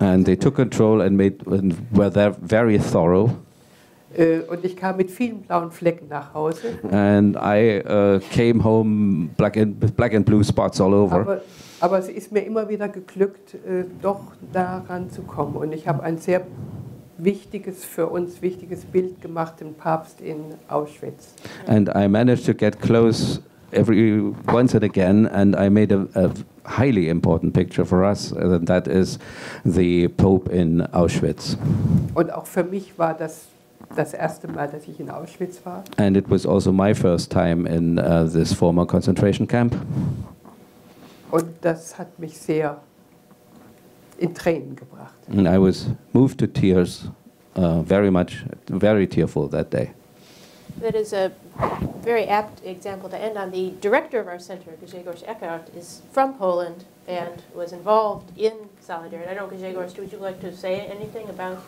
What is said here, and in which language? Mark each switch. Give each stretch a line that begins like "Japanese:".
English: And they took control and were there very thorough.
German: Und ich kam mit vielen blauen Flecken nach Hause.
English: And I came home black and blue spots all over.
German: Aber es ist mir immer wieder geglückt, doch daran zu kommen. Und ich habe ein sehr wichtiges, für uns wichtiges Bild gemacht, den Papst in Auschwitz.
English: And I managed to get close every once and again, and I made a highly important picture for us, and that is the Pope in Auschwitz.
German: Und auch für mich war das erste Mal, dass ich in Auschwitz war.
English: And it was also my first time in this former concentration camp.
German: Und das hat mich sehr in Tränen gebracht.
English: And I was moved to tears, very much, very tearful that day. That is a very apt example to end on. The director of our center, Grzegorz Eckhart, is from Poland and was involved in Solidarity. I don't know, Grzegorz, would you like to say anything about?